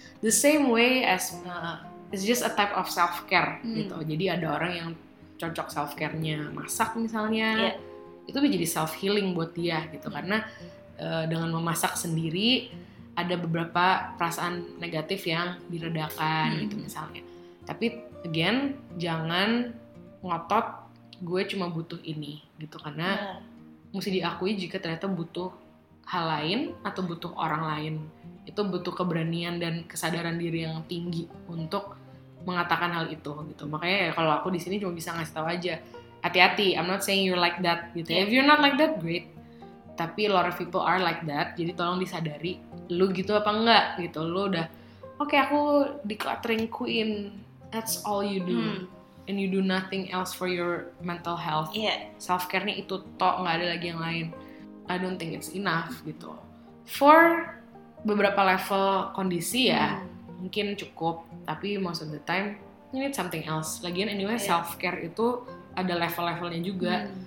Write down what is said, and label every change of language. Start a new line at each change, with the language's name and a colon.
English: The same way as it's just a type of self care gitu.
Indonesian: Jadi ada orang yang cocok self care-nya masak misalnya, itu menjadi self healing buat dia gitu. Karena dengan memasak sendiri ada beberapa perasaan negatif yang diredakan gitu misalnya. Tapi again, jangan ngotot gue cuma butuh ini gitu, karena mesti diakui jika ternyata butuh hal lain atau butuh orang lain. Itu butuh keberanian dan kesadaran diri yang tinggi untuk mengatakan hal itu gitu. Makanya ya, kalau aku di sini cuma bisa ngasih tahu aja, hati-hati,
English: I'm not saying you're like that
Indonesian: gitu.
English: If you're not like that, great.
Indonesian: Tapi
English: a lot of people are like that,
Indonesian: jadi tolong disadari lu gitu apa enggak gitu. Lu udah okay, aku
English: decluttering queen, that's all you do and you do nothing else for your mental health.
Indonesian: Self care nya itu tok, enggak ada lagi yang lain.
English: I don't think it's enough
Indonesian: gitu.
English: For
Indonesian: beberapa level kondisi ya mungkin cukup, tapi
English: most of the time you need something else.
Indonesian: Lagian anyway self care itu ada level-levelnya juga.